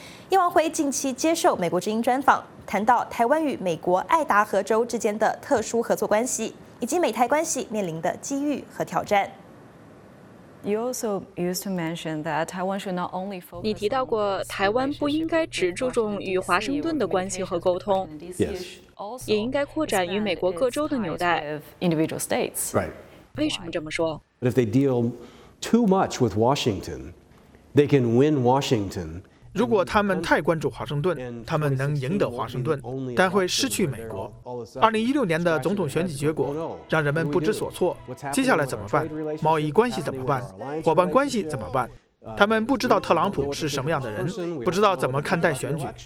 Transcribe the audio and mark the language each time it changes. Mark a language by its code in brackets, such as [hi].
[zh] 叶望辉近期接受美国之音专访，谈到台湾与美国爱达荷州之间的特殊合作关系，以及美台关系面临的机遇和挑战。你提到过，台湾不应该只注重与华盛顿的关系和沟通， [en] yes. [zh] 也应该扩展与美国各州的纽带。 [en] Individual states. Right. [zh] 为什么这么说？ [en] But if they deal too much with Washington, they can win Washington. [zh] 如果他们太关注华盛顿，他们能赢得华盛顿，但会失去美国。 2016年的总统选举结果让人们不知所措，接下来怎么办？贸易关系怎么办？伙伴关系怎么办？他们不知道特朗普是什么样的人，不知道怎么看待选举。